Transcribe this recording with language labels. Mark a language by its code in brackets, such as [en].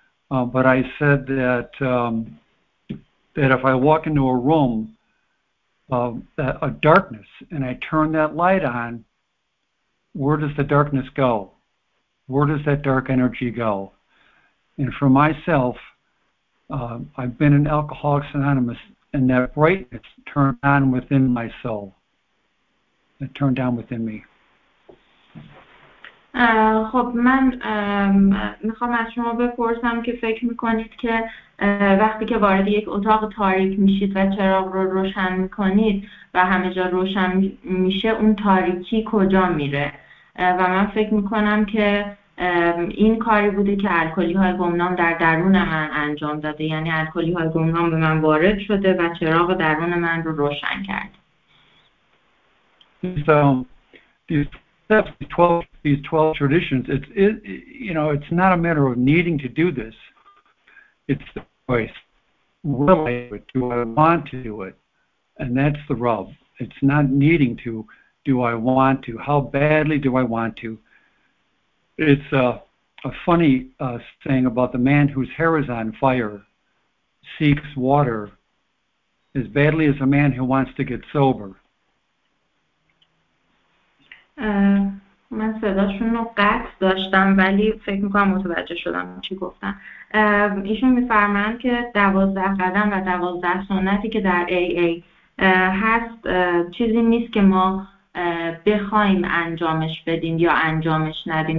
[en] But I said that that if I walk into a room of a darkness and I turn that light on, where does the darkness go? Where does that dark energy go? And for myself, I've been an Alcoholics Anonymous, and that brightness turned on within my soul. It turned on within me. [fa] خب من میخوام از شما بپرسم که فکر میکنید که وقتی که وارد یک اتاق تاریک میشید و چراغ رو روشن میکنید و همه جا روشن میشه، اون تاریکی کجا میره؟ و من فکر میکنم که این کاری بوده که الکلی های گمنام در درون من انجام داده، یعنی الکلی های گمنام به من وارد شده و چراغ درون من رو روشن کرد. [en] These 12 traditions, it's not a matter of needing to do this. It's the choice. Will I do it? Do I want to do it? And that's the rub. It's not needing to. Do I want to? How badly do I want to? It's a funny saying about the man whose hair is on fire seeks water as badly as a man who wants to get sober. [fa] من صداشون رو قطع داشتم ولی فکر میکنم متوجه شدم چی گفتن. ایشون میفرمایند که 12 قدم و 12 سنتی که در AA هست چیزی نیست که ما بخوایم انجامش بدیم یا انجامش ندیم.